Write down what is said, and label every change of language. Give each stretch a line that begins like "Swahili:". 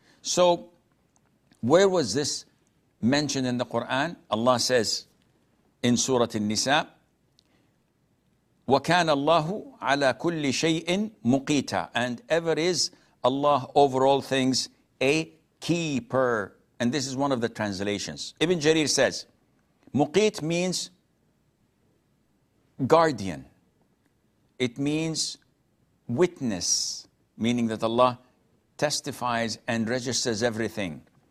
English: So where was this mentioned in the Quran? Allah says in Surah An-Nisa,
Arabic: وَكَانَ اللَّهُ عَلَىٰ كُلِّ شَيْءٍ مُقِيتًا.
English: And ever is Allah over all things a keeper. And this is one of the translations. Ibn Jarir says, Muqit means guardian. It means witness, meaning that Allah testifies and registers everything.